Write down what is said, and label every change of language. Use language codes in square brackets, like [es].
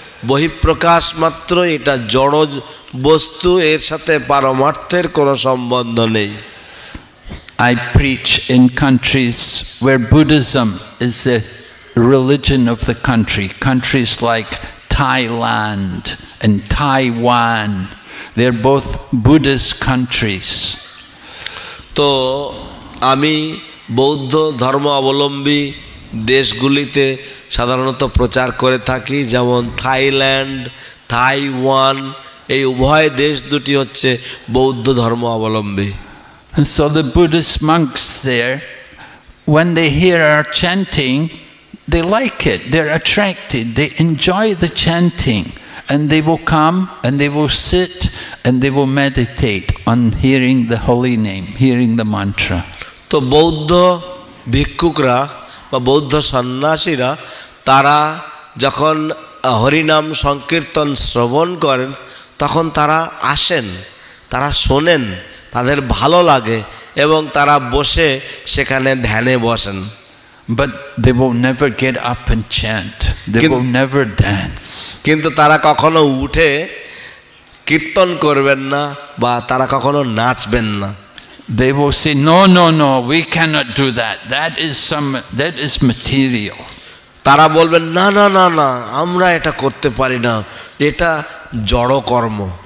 [bn] বহিঃপ্রকাশ মাত্র, এটা জড় বস্তু, এর সাথে পারমার্থের কোনো সম্বন্ধ নেই। [en] I preach in countries where Buddhism is the religion of the country, countries like Thailand and Taiwan. They're both Buddhist countries. [bn] তো আমি বৌদ্ধ ধর্ম অবলম্বী দেশগুলিতে সাধারণত প্রচার করে থাকি, যেমন থাইল্যান্ড, তাইওয়ান, এই উভয় দেশ দুটি হচ্ছে বৌদ্ধ ধর্ম অবলম্বী। [en] So the Buddhist monks there, when they hear our chanting, they like it, they're attracted, they enjoy the chanting, and they will come and they will sit and they will meditate on hearing the holy name, hearing the mantra. [bn] তো বৌদ্ধ ভিক্ষুকরা বা বৌদ্ধ সন্ন্যাসীরা, তারা যখন হরিনাম সংকীর্তন শ্রবণ করেন তখন তারা আসেন, তারা শোনেন, তাদের ভালো লাগে এবং তারা বসে সেখানে ধ্যানে বসেন। [en] But they will never get up and chant. They will never dance. [bn] কিন্তু তারা কখনো উঠে কীর্তন করবেন না বা তারা কখনো নাচবেন না। [en] They will say, no, no, no, we cannot do that. That is material. [bn] তারা বলবেন, না না না না, আমরা এটা করতে পারি না, এটা জড়কর্ম।